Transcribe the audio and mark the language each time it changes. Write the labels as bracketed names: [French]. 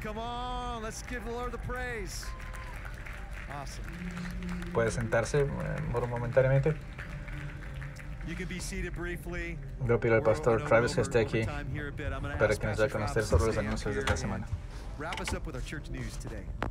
[English] Come on, let's give the Lord the praise. Awesome. [Spanish] Puede sentarse momentáneamente. [English] You can be seated briefly. [Spanish] Voy a pedir al pastor Travis que esté aquí para que nos dé a conocer sobre los anuncios de esta semana. [English] Wrap us up with our church news today.